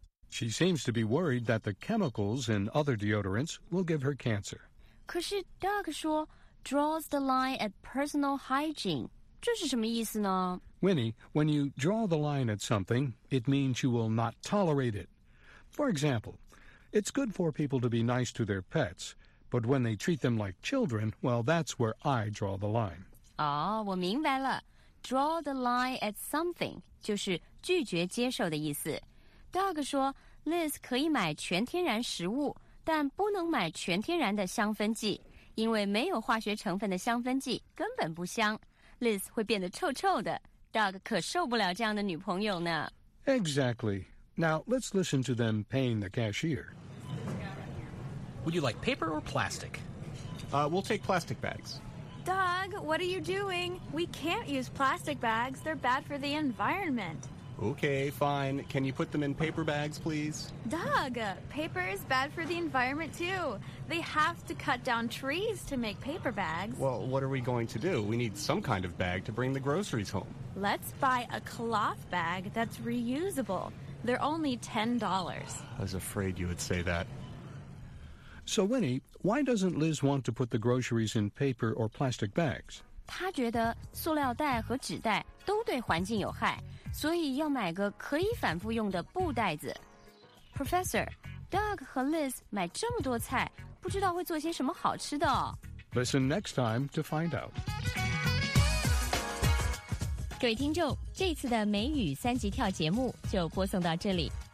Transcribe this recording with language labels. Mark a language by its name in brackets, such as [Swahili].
[English] She seems to be worried that the chemicals in other deodorants will give her cancer. [Chinese] 可是 Doug 说 [English] draws the line at personal hygiene, [Chinese] 这是什么意思呢? [English] Winnie, when you draw the line at something, it means you will not tolerate it. For example, it's good for people to be nice to their pets, but when they treat them like children, well, that's where I draw the line. [Chinese] 哦，我明白了。 [English] Draw the line at something, [Chinese] 就是拒绝接受的意思。 Doug 说 ,Liz 可以买全天然食物,但不能买全天然的香氛剂,因为没有化学成分的香氛剂根本不香。 Liz 会变得臭臭的。Doug 可受不了这样的女朋友呢。 [English] Exactly. Now, let's listen to them paying the cashier. Would you like paper or plastic? We'll take plastic bags. Doug, what are you doing? We can't use plastic bags. They're bad for the environment. Okay, fine. Can you put them in paper bags, please? Doug, paper is bad for the environment, too. They have to cut down trees to make paper bags. Well, what are we going to do? We need some kind of bag to bring the groceries home. Let's buy a cloth bag that's reusable. They're only $10. I was afraid you would say that. So, Winnie, why doesn't Liz want to put the groceries in paper or plastic bags? [Chinese] 她觉得塑料袋和纸袋都对环境有害，所以要买个可以反复用的布袋子。 Professor, Doug 和 Liz 买这么多菜，不知道会做些什么好吃的哦。 [English] Listen next time to find out. [Chinese] 各位听众，这次的美语三级跳节目就播送到这里。